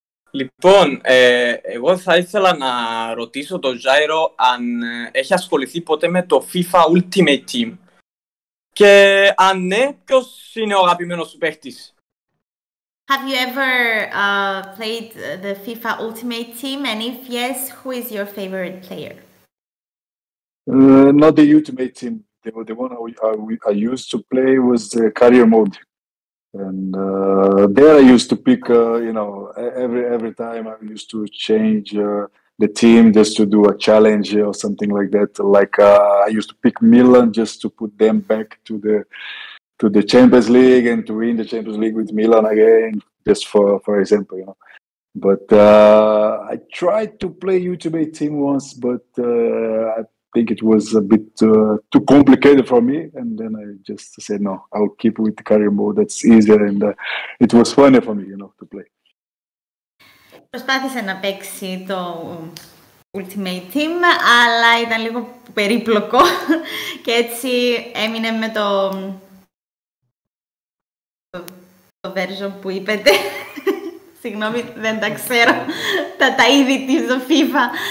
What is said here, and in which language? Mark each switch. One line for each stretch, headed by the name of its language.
Greek: Λοιπόν, εγώ θα ήθελα να ρωτήσω τον Ζάιρο αν έχει ασχοληθεί ποτέ με το FIFA Ultimate Team. Και αν ναι, ποιος είναι ο αγαπημένος σου παίχτης.
English: Have you ever played the FIFA Ultimate Team? And if yes, who is your favorite player? Not the Ultimate Team. The one I used to play was the Career Mode. And there I used to pick, you know, every time I used to change the team just to do a challenge or something like that. Like I used to pick Milan just to put them back to the Champions League and to win the Champions League with Milan again, just for example, you know. But I tried to play Ultimate Team once, but I think it was a bit too complicated for me, and then I just said no, I'll keep with the career mode, that's easier, and it was funnier for me, you know, to play.
Greek: Προσπάθησε να παίξει το Ultimate Team, αλλά ήταν λίγο περίπλοκο και έτσι έμεινε με το version που είπετε. Συγγνώμη, δεν τα ξέρω τα είδη της FIFA.